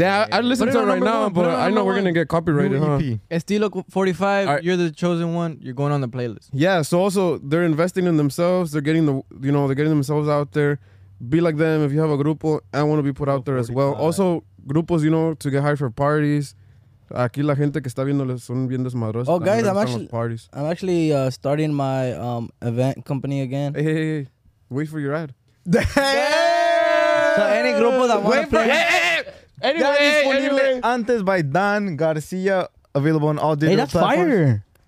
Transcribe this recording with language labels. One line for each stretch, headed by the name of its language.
English: Yeah, I listen to it right now, but I know we're going to get copyrighted, huh? Estilo 45, right. You're the chosen one. You're going on the playlist. Yeah, so also, they're investing in themselves. They're getting themselves out there. Be like them. If you have a grupo, I want to be put out there 45. As well. Also, grupos, you know, to get hired for parties.
Spanish: Aquí la gente que está viéndoles son bien desmadrosos.
English: Oh, guys, I'm actually starting my event company again. Hey, wait for your ad. So any grupo that want to play. Antes by Dan Garcia, available on all digital platforms.